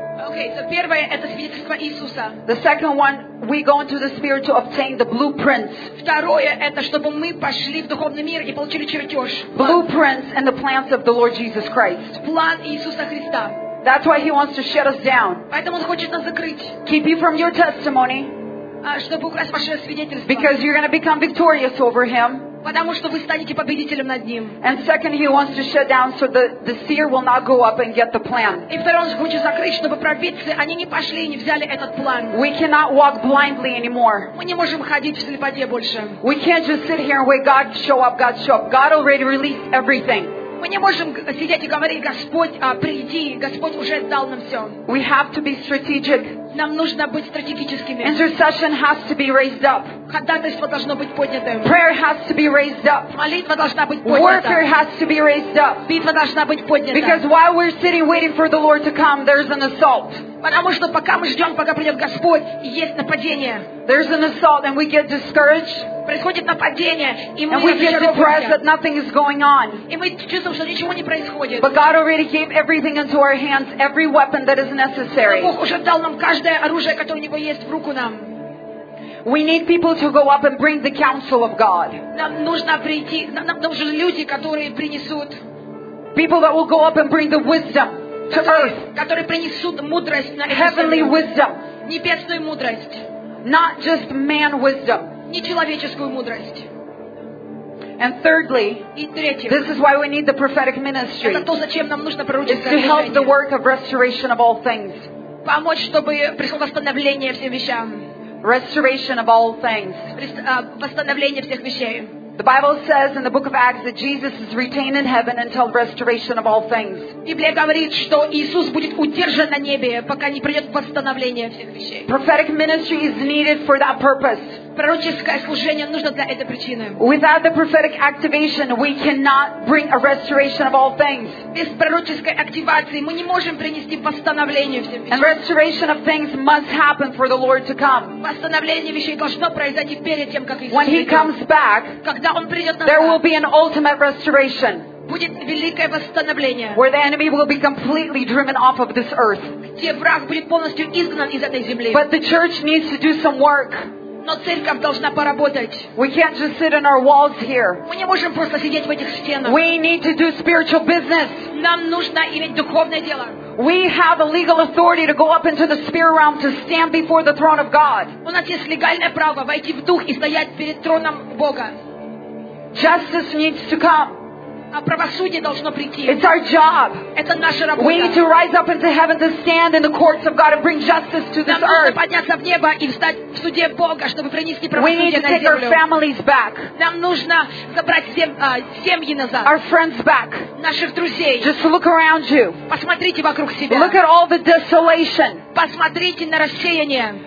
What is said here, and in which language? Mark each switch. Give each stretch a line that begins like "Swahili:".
English: Okay, so
Russian: первое это свидетельство Иисуса.
English: The second one, we go into the spirit to obtain the blueprints.
Russian: Второе это чтобы мы пошли в духовный мир и получили чертеж.
English: Blueprints and the plans of the Lord Jesus Christ.
Russian: План Иисуса Христа.
English: That's why he wants to shut us down.
Russian: Поэтому он хочет нас закрыть.
English: Keep you from your testimony.
Russian: Чтобы украсть ваше свидетельство.
English: Because you're going to become victorious over him.
Russian: Потому что вы станете победителем над ним.
English: And second, he wants to shut down so the seer will not go up and get the plan.
Russian: И второе, он хочет закрыть, чтобы пророки, они не пошли и не взяли этот план.
English: We cannot walk blindly anymore.
Russian: Мы не можем ходить в слепоте больше.
English: We can't just sit here and wait, God show up. God already released everything.
Russian: Мы не можем сидеть и говорить, Господь, приди, Господь уже дал нам все.
English: We have to be strategic.
Russian: нам нужно быть стратегическими.
English: Intercession has to be raised up.
Russian: Ходатайство должно быть поднято.
English: Prayer has to be raised up.
Russian: Молитва должна быть поднята.
English: Warfare has to be raised up.
Russian: Битва должна быть поднята.
English: Because while we're sitting waiting for the Lord to come, there's an assault.
Russian: Потому что пока мы ждем, пока придет Господь, есть нападение.
English: There's an assault and we get discouraged.
Russian: Происходит нападение, и мы разочаровываемся.
English: And we get depressed that nothing is going on.
Russian: И мы чувствуем, что ничего не происходит.
English: But God already gave everything into our hands, every weapon that is necessary.
Russian: Бог уже дал нам каждое оружие, которое у него есть в руку нам.
English: We need people to go up and bring the counsel of God.
Russian: Нам нужно прийти, нам нужны люди, которые принесут.
English: People that will go up and bring the wisdom to earth.
Russian: Которые принесут мудрость на эту землю.
English: Heavenly wisdom.
Russian: Небесную мудрость.
English: Not just man wisdom.
Russian: Не человеческую мудрость.
English: And thirdly,
Russian: и третьим,
English: this is why we need the prophetic ministry.
Russian: Это то, зачем нам нужно пророческое служение.
English: Is to help the work of restoration of all things.
Russian: Помочь, чтобы пришло восстановление всем вещам.
English: Restoration of all things.
Russian: Восстановление всех вещей.
English: The Bible says in the book of Acts that Jesus is retained in heaven until restoration of all things.
Russian: Библия говорит, что Иисус будет удержан на небе, пока не придет восстановление всех вещей.
English: Prophetic ministry is needed for that purpose.
Russian: Пророческое служение нужно для этой причины.
English: Without the prophetic activation, we cannot bring a restoration of all things.
Russian: Без пророческой активации мы не можем принести восстановление всем вещам.
English: And restoration of things must happen for the Lord to come.
Russian: Восстановление вещей должно произойти перед тем, как Иисус.
English: When He comes back. There will be an ultimate restoration.
Russian: Будет великое восстановление.
English: Where the enemy will be completely driven off of this earth.
Russian: Где враг будет полностью изгнан из этой земли.
English: But the church needs to do some work.
Russian: Но церковь должна поработать.
English: We can't just sit in our walls here.
Russian: Мы не можем просто сидеть в этих стенах.
English: We need to do spiritual business.
Russian: Нам нужно иметь духовное дело.
English: We have a legal authority to go up into the spirit realm to stand before the throne of God.
Russian: У нас есть легальное право войти в дух и стоять перед троном Бога.
English: Justice needs to come.
Russian: А правосудие должно прийти.
English: It's our job.
Russian: Это наша работа.
English: We need to rise up into heaven to stand in the courts of God and bring justice to this earth.
Russian: Нам нужно подняться в небо и встать в суде Бога, чтобы принести правосудие на землю.
English: We need to take our families back.
Russian: Нам нужно забрать семьи назад.
English: Our friends back.
Russian: Наших друзей.
English: Just look around you.
Russian: Посмотрите вокруг себя.
English: Look at all the desolation.
Russian: Посмотрите на рассеяние.